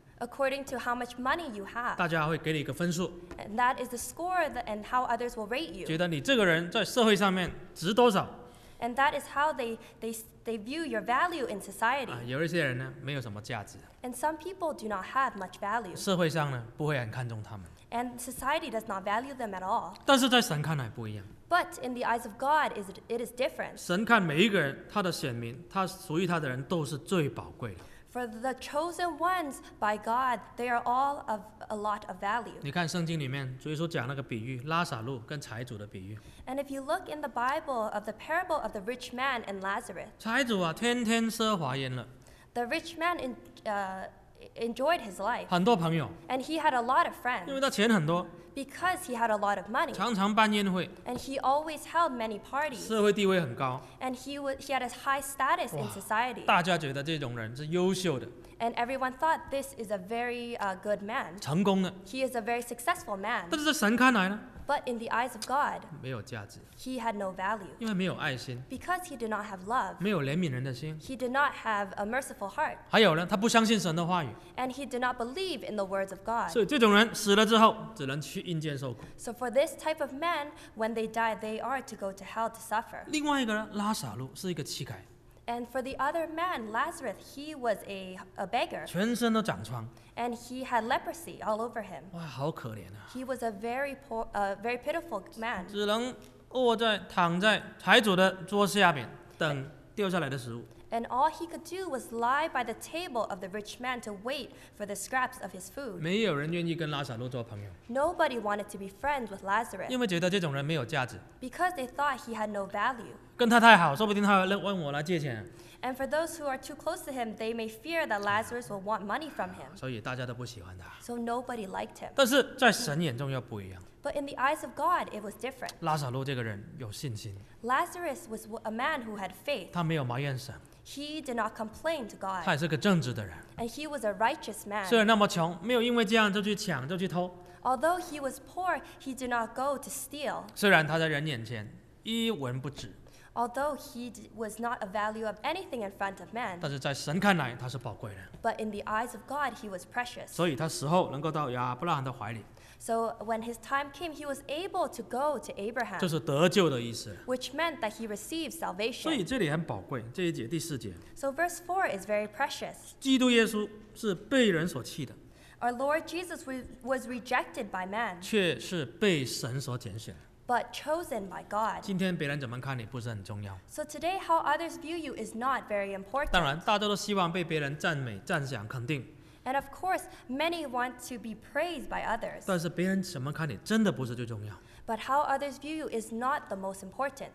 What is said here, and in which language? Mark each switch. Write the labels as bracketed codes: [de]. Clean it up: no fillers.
[en] According to how much money you have. [zh] 大家会给你一个分数。 [en] And that is the score and how others will rate you. [zh] 觉得你这个人在社会上面值多少。 [en] And that is how they view your value in society. [zh] 有一些人呢，没有什么价值。 [en] And some people do not have much value. [zh] 社会上呢，不会很看重他们。 [en] and society does not value them at all. [zh] 但是在神看来不一样。 [en] But in the eyes of God, it is different. [zh] 神看每一个人，他的选民，他属于他的人，都是最宝贵的。 [en] For the chosen ones by God, they are all of a lot of value. [zh] 你看圣经里面，主耶稣讲那个比喻，拉撒路跟财主的比喻。 [en] And if you look in the Bible of the parable of the rich man and Lazarus. [zh] 财主啊，天天奢华宴乐。 [en] The rich man enjoyed his life. [zh] 很多朋友。 [en] And he had a lot of friends. [zh] 因为他钱很多。 [en] Because he had a lot of money. [zh] 常常办宴会。 [en] And he always held many parties. [zh] 社会地位很高。 [en] And he had a high status in society. [zh] 大家觉得这种人是优秀的。 [en] And everyone thought this is a very good man. [zh] 成功的。 [en] He is a very successful man. [zh] 但是在神看来呢？ [en] But in the eyes of God, [zh] 没有价值, [en] he had no value. [zh] 因为没有爱心, [en] because he did not have love. [zh] 没有怜悯人的心, [en] he did not have a merciful heart. [zh] 还有呢, 他不相信神的话语, [en] and he did not believe in the words of God. [zh] 所以这种人死了之后, 只能去阴间受苦。 [en] So for this type of man, when they die, they are to go to hell to suffer. [zh] 另外一个呢, 拉撒路是一个乞丐。 [en] And for the other man, Lazarus, he was a beggar. [zh] 全身都长疮。 [en] And he had leprosy all over him. [zh] 哇，好可怜啊！ [en] He was a very poor, very pitiful man. [zh] 只能卧在躺在财主的桌下面，等掉下来的食物。 [en] And all he could do was lie by the table of the rich man to wait for the scraps of his food. [zh] 没有人愿意跟拉撒路做朋友。 [en] Nobody wanted to be friends with Lazarus. [zh] 因为觉得这种人没有价值。 [en] Because they thought he had no value. [zh] 跟他太好，说不定他会问我来借钱。 [en] And for those who are too close to him, they may fear that Lazarus will want money from him. [zh] 所以大家都不喜欢他。 [en] So nobody liked him. [zh] 但是在神眼中又不一样。 [en] But in the eyes of God, it was different. [zh] 拉撒路这个人有信心。 [en] Lazarus was a man who had faith. [zh] 他没有埋怨神。 [en] He did not complain to God. [zh] 他也是个正直的人。 [en] And he was a righteous man. [zh] 虽然那么穷，没有因为这样就去抢，就去偷。 [en] Although he was poor, he did not go to steal. [zh] 虽然他在人眼前一文不值。 [en] Although he was not a value of anything in front of men, [zh] 但是在神看来他是宝贵的。 [en] But in the eyes of God, he was precious. [zh] 所以他死后能够到亚伯拉罕的怀里。 [en] So when his time came, he was able to go to Abraham. [zh] 这是得救的意思。 [en] Which meant that he received salvation. [zh] 所以这里很宝贵，这一节第四节。 [en] So verse 4 is very precious. [zh] 基督耶稣是被人所弃的。 [en] Our Lord Jesus was rejected by man. [zh] 却是被神所拣选。 [en] But chosen by God. [zh] 今天别人怎么看你不是很重要。 [en] So today how others view you is not very important. [zh] 当然大家都希望被别人赞美赞赏肯定。 [en] And of course many want to be praised by others. [zh] 但是别人怎么看你真的不是最重要。 [en] But how others view you is not the most important.